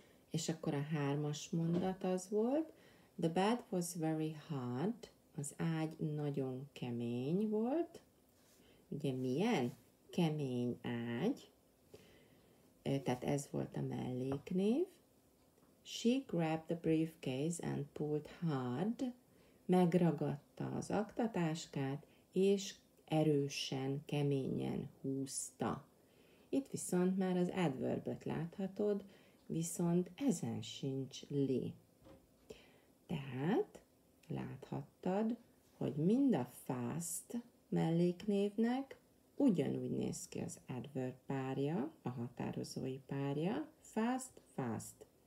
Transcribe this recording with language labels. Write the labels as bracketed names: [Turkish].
[Hungarian] És akkor a 3. mondat az volt, [English] the bed was very hard, [Hungarian] az ágy nagyon kemény volt. Ugye milyen? Kemény ágy. Tehát ez volt a melléknév. [English] She grabbed the briefcase and pulled hard. [Hungarian] Megragadta az aktatáskát, és erősen, keményen húzta. Itt viszont már az adverbet láthatod, viszont ezen sincs li. Tehát láthattad, hogy mind a fast melléknévnek ugyanúgy néz ki az adverb párja, a határozói párja, fast, fast.